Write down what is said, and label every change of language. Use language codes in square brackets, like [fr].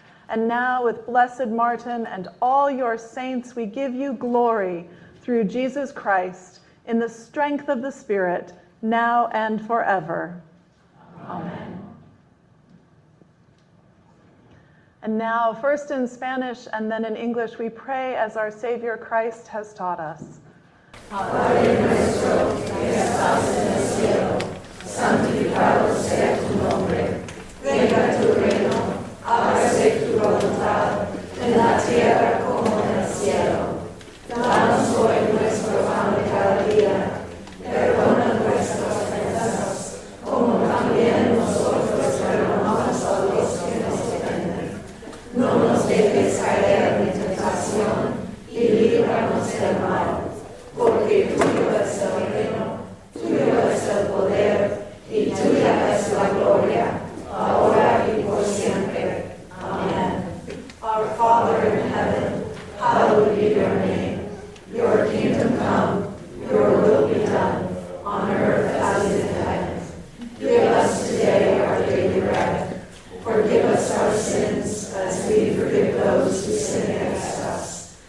[en] And now, with Blessed Martin and all your saints, we give you glory through Jesus Christ in the strength of the Spirit, now and forever. Amen. And now, first in Spanish and then in English, we pray as our Savior Christ has taught us. [es] Padre nuestro, que estás en el cielo, santificado sea tu nombre, venga tu reino, hágase tu voluntad en la tierra como en el cielo. Danos hoy nuestro pan de cada día. Perdona nuestras ofensas, como también nosotros perdonamos a los que nos ofenden. No nos dejes caer en tentación y líbranos del mal, porque tuyo es el reino, tuyo es el poder y tuya es la gloria, ahora y por siempre. [en] Father in heaven, hallowed be your name. Your kingdom come, your will be done, on earth as in heaven. Give us today our daily bread. Forgive us our sins as we forgive those who sin against us.